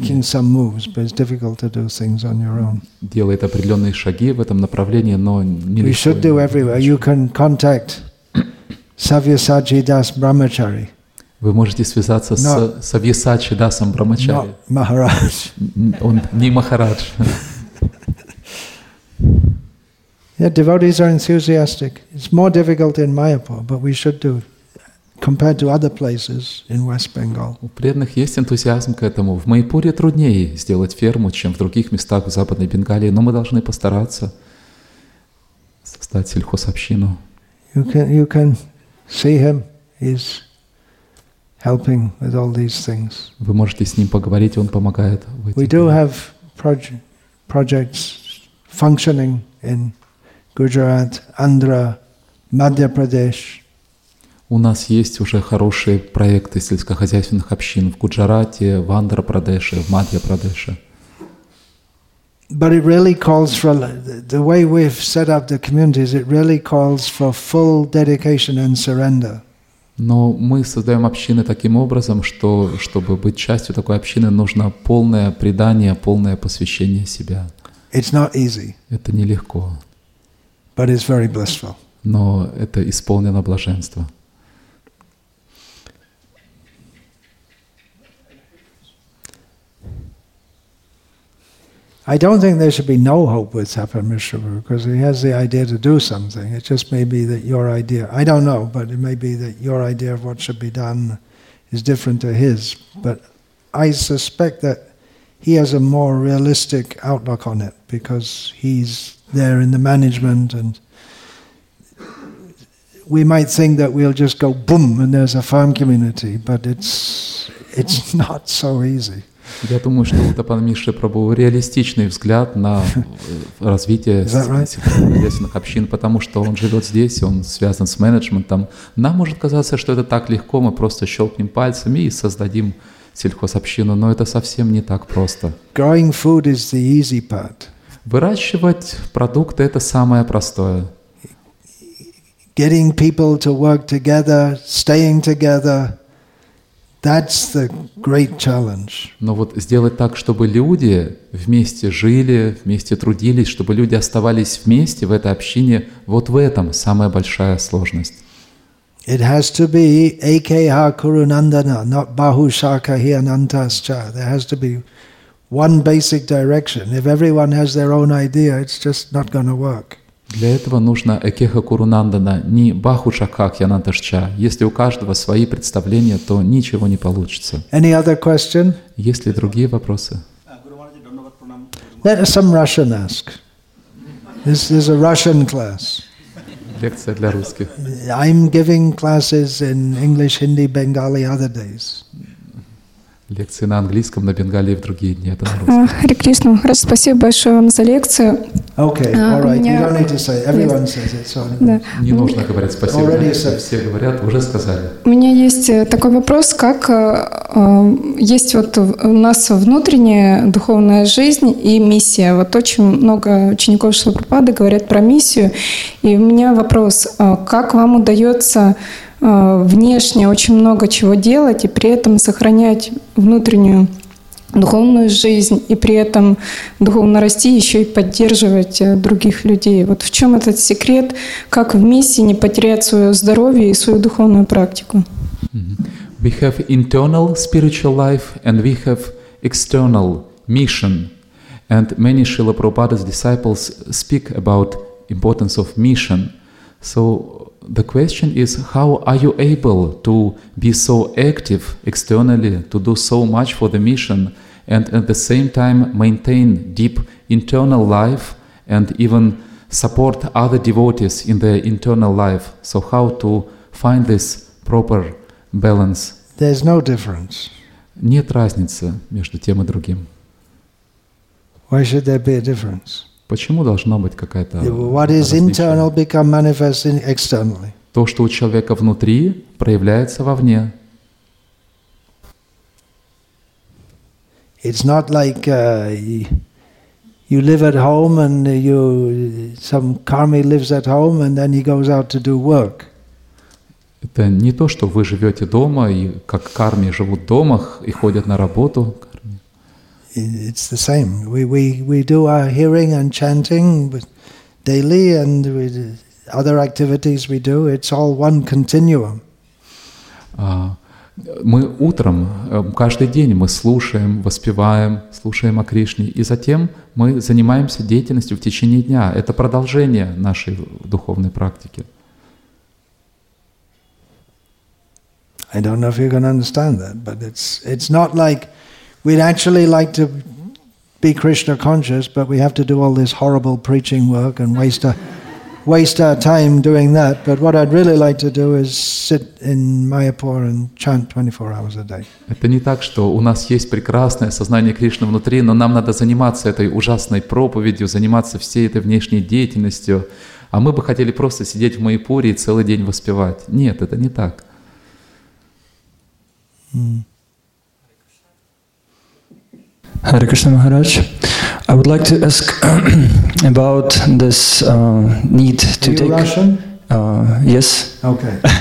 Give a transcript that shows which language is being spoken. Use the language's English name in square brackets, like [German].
[English] Making some moves, but it's difficult to do things on your own. [Russian] Делает определенные шаги в этом направлении, но не легко. [English] We should do everywhere. You can contact Savyasachi Das Brahmachari. [Russian] Вы можете связаться с Савьясачи Дасом Брамачари. Махарадж. Он не Махарадж. [English] Yeah, devotees are enthusiastic. It's more difficult in Mayapur, but we should do it compared to other places in West Bengal. [Russian] У преданных есть энтузиазм к этому. В Майпуре труднее сделать ферму, чем в других местах в Западной Бенгалии, но мы должны постараться создать сельхозобщину. [English] You can see him. He's helping with all these things. [Russian] Вы можете с ним поговорить, он помогает в этом. [English] We do have projects functioning in Gujarat, Andhra, Madhya Pradesh. [Russian] У нас есть уже хорошие проекты сельскохозяйственных общин в Гуджарате, в Андхра-Прадеше, в Мадхья-Прадеше. [English] But it really calls for the way we've set up the communities. It really calls for full dedication and surrender. [Russian] Но мы создаем общины таким образом, что чтобы быть частью такой общины, нужно полное предание, полное посвящение себя. [English] It's not easy. [Russian] Это нелегко. [English] But it's very blissful. [Russian] Но это исполнено блаженства. [English] I don't think there should be no hope with Tapan Mishra Prabhu, because he has the idea to do something. It just may be that your idea, I don't know, but it may be that your idea of what should be done is different to his. But I suspect that he has a more realistic outlook on it, because he's there in the management, and we might think that we'll just go boom and there's a farm community, but it's not so easy. [Russian] Я думаю, что у Тапана Мишри Прабху реалистичный взгляд на развитие сельскохозяйственных общин, потому что он живет здесь, он связан с менеджментом. Нам может казаться, что это так легко, мы просто щелкнем пальцами и создадим сельхозобщину, но это совсем не так просто. [English] Growing food is the easy part. [Russian] Выращивать продукты — это самое простое. [English] Getting people to work together, staying together — that's the great challenge. [Russian] Но вот сделать так, чтобы люди вместе жили, вместе трудились, чтобы люди оставались вместе в этой общине, вот в этом самая большая сложность. [English] It has to be [Sanskrit] Akha Kurunandana, [English] not [Sanskrit] Bahushaka hi Anantascha. [English] There has to be one basic direction. If everyone has their own idea, it's just not going to work. [Russian] Для этого нужно [Sanskrit] экеха курунандана, [Russian] не [Sanskrit] бахушаках янанташча. [Russian] Если у каждого свои представления, то ничего не получится. [English] Any other question? [Russian] Есть ли другие вопросы? [English] Let some Russian ask. This is a Russian class. [Russian] Лекция для русских. [English] I'm giving classes in English, Hindi, Bengali other days. [Russian] Лекции на английском, на бенгалии в другие дни. Это на русском. Хари Кришна, раз, спасибо большое вам за лекцию. [English] Okay, all right. You don't need to say. Everyone says it. [Russian] Не нужно говорить спасибо. Все говорят, уже сказали. У меня есть такой вопрос, как есть вот у нас внутренняя духовная жизнь и миссия. Вот очень много учеников Шрилы Прабхупады говорят про миссию. И у меня вопрос, как вам удается внешне очень много чего делать и при этом сохранять внутреннюю духовную жизнь и при этом духовно расти, еще и поддерживать других людей. Вот в чем этот секрет, как в миссии не потерять свое здоровье и свою духовную практику? [English] We have internal spiritual life and we have external mission. And many Srila Prabhupada's disciples speak about importance of mission. So the question is, how are you able to be so active externally, to do so much for the mission, and at the same time maintain deep internal life and even support other devotees in their internal life? So how to find this proper balance? There's no difference. [Russian] Нет разницы между тем и другим. [English] Why should there be a difference? [Russian] Почему должно быть какая-то различие? [English] What is internal become manifest externally. [Russian] То, что у человека внутри, проявляется вовне. [English] It's not like you live at home and you some karmi lives at home and then he goes out to do work. [Russian] Это не то, что вы живете дома и как карми живут дома и ходят на работу. [English] It's the same. We do our hearing and chanting daily, and with other activities we do. It's all one continuum. [Russian] Мы утром каждый день мы слушаем, воспеваем, слушаем о Кришне, и затем мы занимаемся деятельностью в течение дня. Это продолжение нашей духовной практики. [English] I don't know if you can understand that, but it's not like we'd actually like to be Krishna conscious, but we have to do all this horrible preaching work and waste our time doing that. But what I'd really like to do is sit in Mayapur and chant 24 hours a day. [Russian] Это не так, что у нас есть прекрасное сознание Кришны внутри, но нам надо заниматься этой ужасной проповедью, заниматься всей этой внешней деятельностью, а мы бы хотели просто сидеть в Майпуре и целый день воспевать. Нет, это не так. [English] Hare Krishna Maharaj, I would like to ask about this need to Are you take. Russian? Yes. Okay.